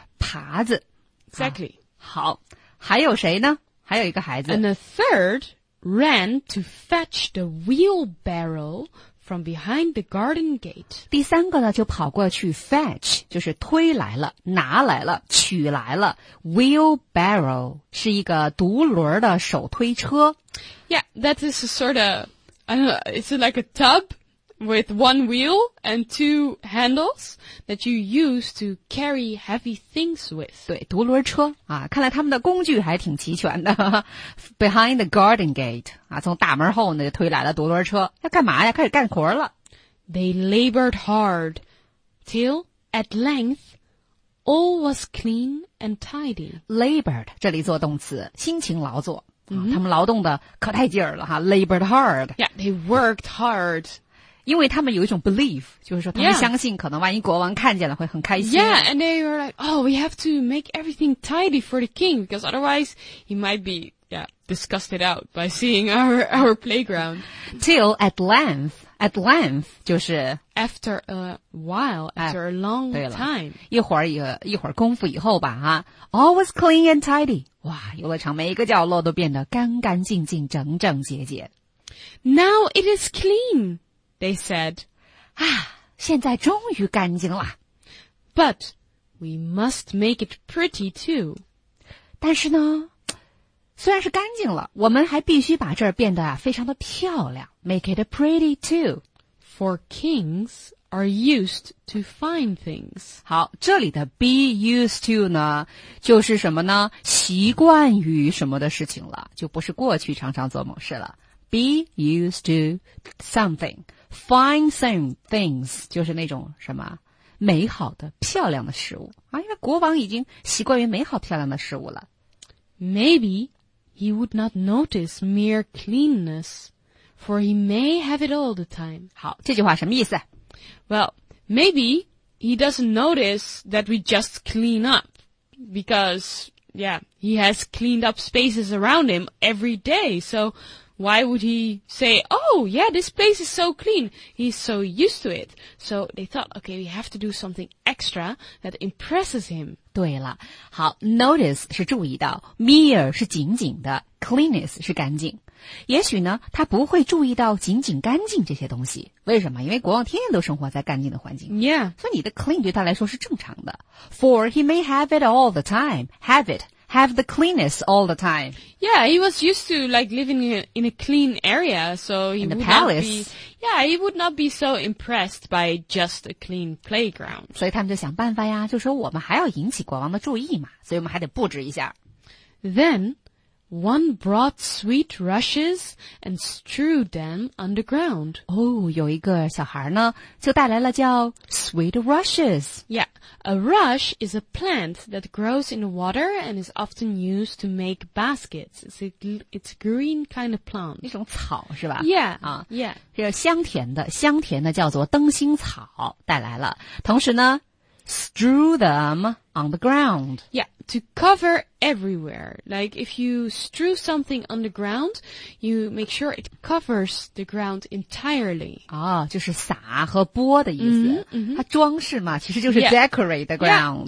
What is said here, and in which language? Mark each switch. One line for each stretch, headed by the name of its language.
Chinese: 耙子
English: exactly、
Chinese: 好还有谁呢？还有一个孩子。
English: And the third ran to fetch the wheelbarrow from behind the garden gate.
Chinese: 第三个呢，就跑过去 fetch， 就是推来了、拿来了、取来了。 Wheelbarrow 是一个独轮的手推车。
English: Yeah, that is a sort of, I don't know, it's like a tub with one wheel and two handles that you use to carry heavy things with.
Chinese: 对，独轮车啊，看来他们的工具还挺齐全的。
English: Behind the garden gate,
Chinese: 啊，从大门后呢推来了独轮车。要干嘛呀？开始干活了。
English: They labored hard till at length all was clean and tidy.
Chinese: Labored, 这里做动词，辛勤劳作。他们劳动的可带劲儿了哈。
English: Labored hard. Yeah, they worked hard.
Chinese: 因为他们有一种 belief, 就是说他们相信可能万一国王看见了会很开心。
English: Yeah, and they were like, oh, we have to make everything tidy for the king, because otherwise he might be, yeah, disgusted out by seeing our playground. Till at length
Chinese: 就是
English: After a while, after a long time.
Chinese: 一会儿一会儿功夫以后吧、啊、
English: All was clean and tidy.
Chinese: 哇游乐场每一个角落都变得干干净净整整洁洁。
English: Now it is clean. They said,
Chinese: 啊，现在终于干净了。
English: But we must make it pretty too.
Chinese: 但是呢，虽然是干净了，我们还必须把这儿变得非常的漂亮。
English: Make it pretty too. For kings are used to fine things.
Chinese: 好，这里的
English: be used to
Chinese: 呢，就是什么呢？习惯于什么的事情了，就不是过去常常做某事了。
English: Be used to something. Fine some things
Chinese: 就是那种什么美好的漂亮的食物啊，因为国王已经习惯于美好漂亮的食物了。
English: Maybe he would not notice mere cleanness, for he may have it all the time.
Chinese: 好，这句话什么意思
English: ？Well, maybe he doesn't notice that we just clean up because, yeah, he has cleaned up spaces around him every day, so. Why would he say, oh, yeah, this place is so clean. He's so used to it. So they thought, okay, we have to do something extra that impresses him.
Chinese: 对了，好 ,notice 是注意到 ,mere 是仅仅的 ,cleanness 是干净。也许呢他不会注意到仅仅干净这些东西。为什么？因为国王天天都生活在干净的环境。
English: Yeah.
Chinese: 所以你的 clean 对他来说是正常的。
English: For he may have it all the time. Have it. have the cleanest all the time. Yeah, he was used to like living in a clean area, so he in the would palace. Not be, yeah, he would not be so impressed by just a clean playground.
Chinese: 所以他们就想办法呀，就说我们还要引起国王的注意嘛，所以我们还得布置一下。
English: Then, one brought sweet rushes and strewed them underground.
Chinese: 哦，有一个小孩呢，就带来了叫 sweet rushes.
English: Yeah, a rush is a plant that grows in water and is often used to make baskets. It's a green kind of plant.
Chinese: 一种草是吧
English: ？Yeah. 啊，Yeah.
Chinese: 是香甜的，香甜的叫做灯芯草带来了。同时呢 ，
English: strew them on the ground. Yeah. To cover everywhere. Like, if you strew something on the ground, you make sure it covers the ground entirely.
Chinese: 哦、
English: oh,
Chinese: 就是撒和播的意思。 Mm-hmm, mm-hmm. 它装饰嘛其实就是
English: decorate the ground.